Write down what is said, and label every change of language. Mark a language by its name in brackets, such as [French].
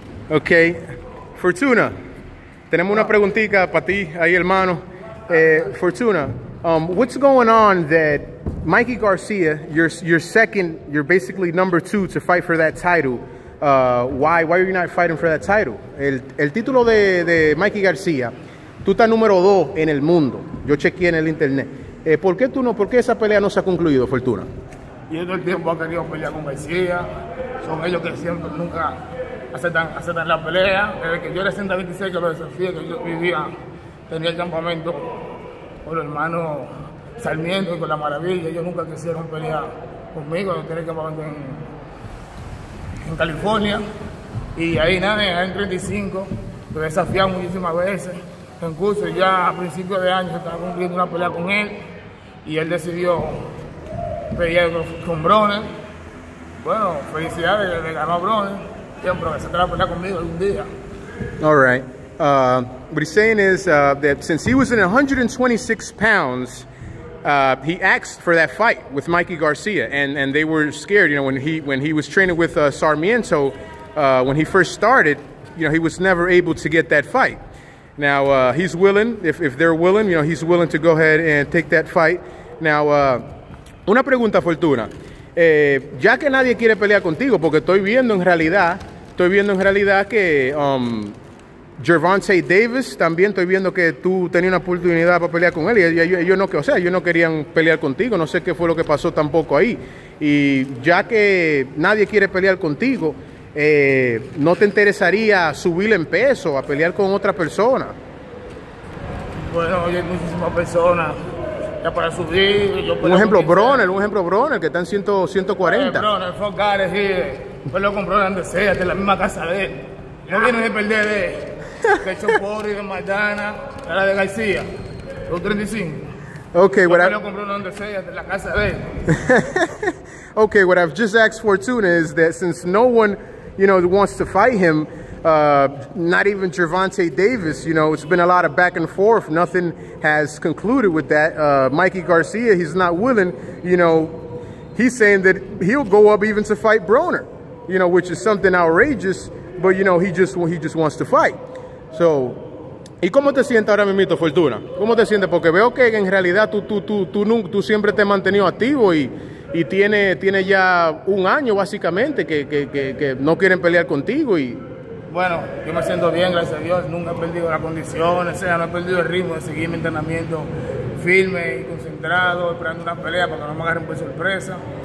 [Spanish] Okay, Fortuna, tenemos una preguntita para ti, ahí hermano. [English] Fortuna, what's going on that Mikey Garcia, your second, you're basically number two to fight for that title. Why are you not fighting for that title? [Spanish] El título de Mikey Garcia, tú estás número dos en el mundo. Yo chequeé en el internet. ¿Por qué esa pelea no se ha concluido, Fortuna? Yo todo el tiempo he querido pelear con Garcia. Son ellos que siempre nunca aceptan la pelea. Desde que yo era 126 que lo desafié, que yo vivía, tenía el campamento con los hermanos Sarmiento y con la Maravilla. Ellos nunca quisieron pelear conmigo. Yo tenía el campamento en California. Y ahí nada, en 35, lo desafiamos muchísimas veces. Incluso ya a principios de año se estaba cumpliendo una pelea con él y él decidió pelear con Broner. Bueno, felicidades, le ganó a Broner. Siempre se trata de pelear conmigo algún día. [English] All right. What he's saying is that since he was in 126 pounds, he asked for that fight with Mikey Garcia, and they were scared. You know, when he was training with Sarmiento, when he first started, you know, he was never able to get that fight. Now, he's willing, if they're willing, you know, he's willing to go ahead and take that fight. [Spanish] Now, una pregunta, Fortuna. Ya que nadie quiere pelear contigo, porque estoy viendo en realidad que Gervonta Davis, también estoy viendo que tú tenías una oportunidad para pelear con él. Ellos no querían pelear contigo, no sé qué fue lo que pasó tampoco ahí. Y ya que nadie quiere pelear contigo, ¿no te interesaría subir en peso a pelear con otra persona? Bueno, hay muchísimas personas ya para subir. Un ejemplo, Broner, que está en 140. Broner, Focar, sí. Pero con Broner, donde sea, de la misma casa de él. No viene de perder de Chopori, de Maldana, la de García, los 35. [English] Okay, [Spanish] pero con Broner, donde sea, de la casa de él. [English] Okay, what I've just asked Fortuna is that since no one, you know, wants to fight him, not even Gervonta Davis, you know, it's been a lot of back and forth. Nothing has concluded with that. Mikey Garcia, he's not willing, you know, he's saying that he'll go up even to fight Broner, you know, which is something outrageous, but, you know, he just wants to fight. [Spanish] So, ¿y cómo te sientes ahora mismo, Fortuna? ¿Cómo te sientes? Porque veo que en realidad tú siempre te has mantenido activo y tiene ya un año básicamente que no quieren pelear contigo. Y bueno, yo me siento bien, gracias a Dios. Nunca he perdido la condición, o sea, no he perdido el ritmo de seguir mi entrenamiento firme y concentrado, esperando una pelea para que no me agarren por sorpresa.